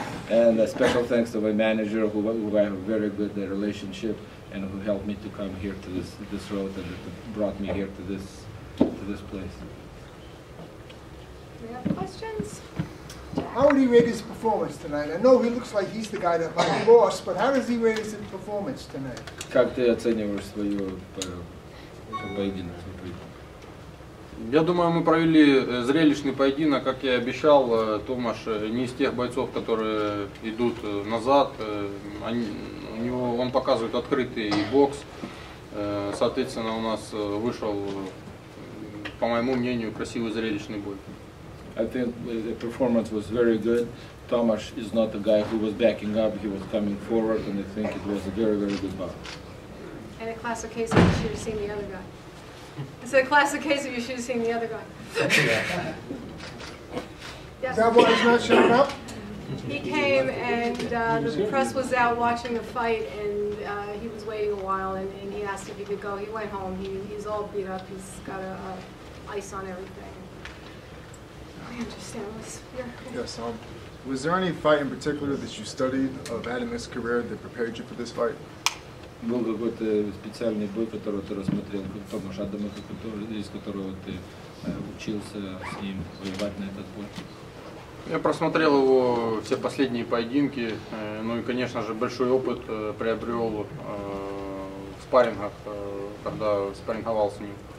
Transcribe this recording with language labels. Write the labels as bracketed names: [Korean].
[English] And a special thanks to my manager, who I have a very good relationship, and who helped me to come here to this road and brought me here to this place. Do we have questions? How would he rate his performance tonight? I know he looks like he's the guy that might have lost, but how does he rate his performance tonight? [Russian] Как ты оцениваешь свою поединок? Я думаю, мы провели зрелищный поединок, как я и обещал. Томаш не из тех бойцов, которые идут назад. Он показывает открытый бокс. Соответственно, у нас вышел, по моему мнению, красивый зрелищный бой. [English] I think the performance was very good. Tomas is not the guy who was backing up, he was coming forward, and I think it was a very, very good bout. And a classic case of you should have seen the other guy. It's a classic case of you should have seen the other guy. Yes. That one is not showing up? He came and the press was out watching the fight and he was waiting a while and he asked if he could go. He went home. He's all beat up. He's got ice on everything. I understand this. Yeah. Yes, was there any fight in particular that you studied of Adam's career that prepared you for this fight? [Ukrainian] Був [Russian] какой-то [Ukrainian] спеціальний [Russian] бой, который ты рассмотрел, потому что Адам, из которого ты учился с ним воевать на этот бой? Я просмотрел его все последние поединки, ну и, конечно же, большой опыт приобрел в спаррингах, когда спарринговал с ним.